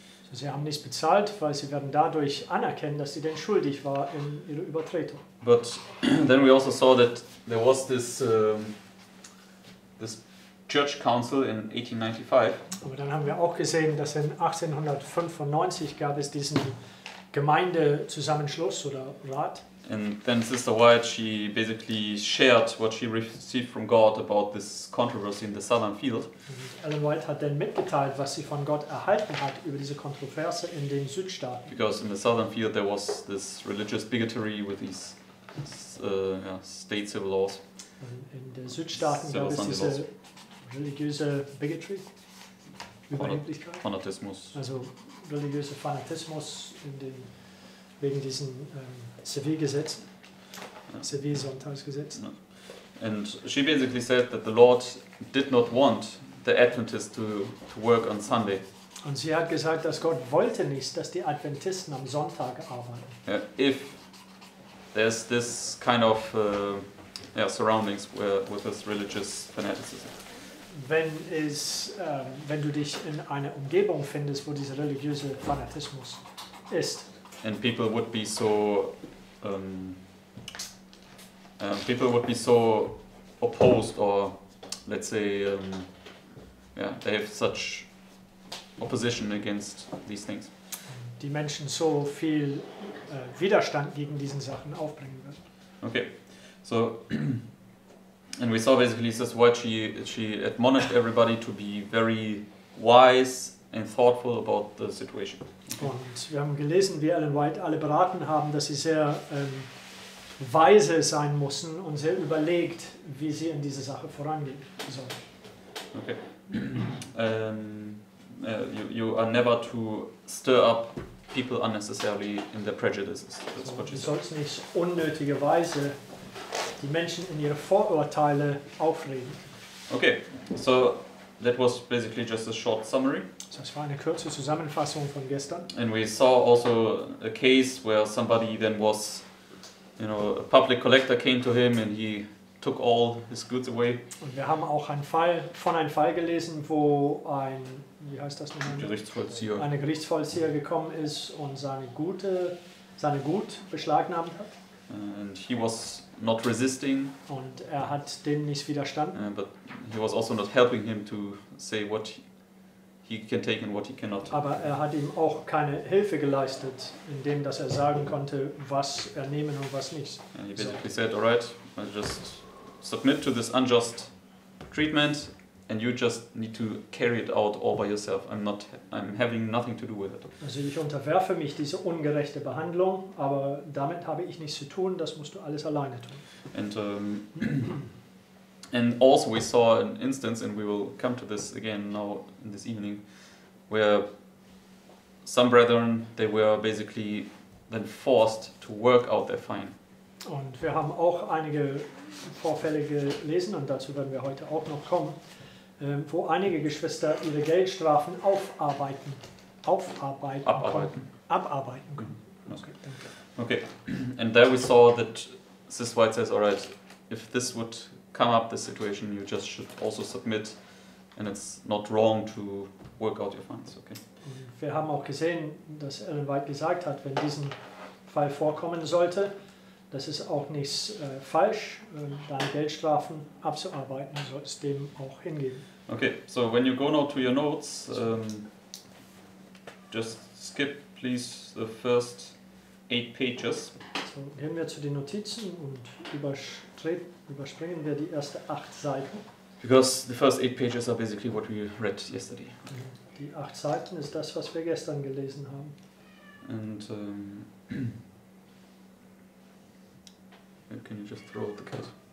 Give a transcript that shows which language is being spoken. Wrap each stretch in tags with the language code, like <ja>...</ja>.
<de>So sie haben nicht bezahlt, weil sie werden dadurch anerkennen, dass sie denn schuldig war in ihrer Übertretung.</de> <en>But then we also saw that there was this this Church Council in 1895.</en> <de>Aber dann haben wir auch gesehen, dass in 1895 gab es diesen Gemeindezusammenschluss oder Rat.</de> <en>And then Sister White, she basically shared what she received from God about this controversy in the southern field.</en> <de>Ellen White hat dann mitgeteilt, was sie von Gott erhalten hat über diese Kontroverse in den Südstaaten.</de> <en>Because in the southern field there was this religious bigotry with these state civil laws.</en> <de>In den Südstaaten gab es diese religiöse Bigotry, Überheblichkeit, Fanatismus. Also religiöse Fanatismus in den, wegen diesen Zivilgesetzen, Zivilsonntagsgesetzen.</de> <en>And she basically said that the Lord did not want the Adventists to work on Sunday.</en> <de>Und sie hat gesagt, dass Gott wollte nicht, dass die Adventisten am Sonntag arbeiten.</de> <en>If there's this kind of surroundings with this religious fanaticism.</en> <de>Wenn du dich in einer Umgebung findest, wo dieser religiöse Fanatismus ist.</de> <en>And people would be so people would be so opposed, or let's say they have such opposition against these things.</en> <de>Die Menschen so viel Widerstand gegen diesen Sachen aufbringen würden. Okay.</de> <en>So and we saw basically this word she admonished everybody to be very wise and thoughtful about the situation.</en> <de>Und wir haben gelesen, wie Ellen White alle beraten haben, dass sie sehr weise sein müssen und sehr überlegt, wie sie in diese Sache vorangehen sollen. Okay.</de> <en>you are never to stir up people unnecessarily in their prejudices. That's so, what</en> <de>du sollst nicht unnötigerweise die Menschen in ihre Vorurteile aufregen.</de> <en>Okay, so that was basically just a short summary.</en> <de>Das war eine kurze Zusammenfassung von gestern.</de> <en>And we saw also a case where somebody then was, you know, a public collector came to him and he took all his goods away.</en> <de>Und wir haben auch einen Fall gelesen, wo ein, wie heißt das nochmal? Gerichtsvollzieher. Eine Gerichtsvollzieher gekommen ist und seine Gut beschlagnahmt hat.</de> <en>And he was not resisting.</en> <de>Und er hat dem nicht widerstanden.</de> <en>But he was also not helping him to say what he can take and what he cannot.</en> <de>Aber er hat ihm auch keine Hilfe geleistet, indem dass er sagen konnte, was er nehmen und was nicht.</de> <en>And he basically said, all right, I just submit to this unjust treatment and you just need to carry it out all by yourself. I'm having nothing to do with it.</en> <de>Also ich unterwerfe mich dieser ungerechte Behandlung, aber damit habe ich nichts zu tun, das musst du alles alleine tun.</de> <en>And and also we saw an instance, and we will come to this again now in this evening, where some brethren, they were basically then forced to work out their fine.</en> <de>Und wir haben auch einige Vorfälle gelesen, und dazu werden wir heute auch noch kommen, wo einige Geschwister ihre Geldstrafen abarbeiten können.</de> <en>Okay, and there we saw that Sis White says, all right, if this would come up, this situation, you just should also submit, and it's not wrong to work out your funds, okay?</en> <de>Wir haben auch gesehen, dass Ellen White gesagt hat, wenn diesen Fall vorkommen sollte, das ist auch nichts falsch, deine Geldstrafen abzuarbeiten, du sollst dem auch hingeben.</de> <en>Okay, so when you go now to your notes, just skip please the first 8 pages.</en> <de>So, gehen wir zu den Notizen und überspringen wir die erste 8 Seiten.</de> <en>Because the first 8 pages are basically what we read yesterday.</en> <de>Die 8 Seiten ist das, was wir gestern gelesen haben.</de> <en>And can you just throw out the cat?</en>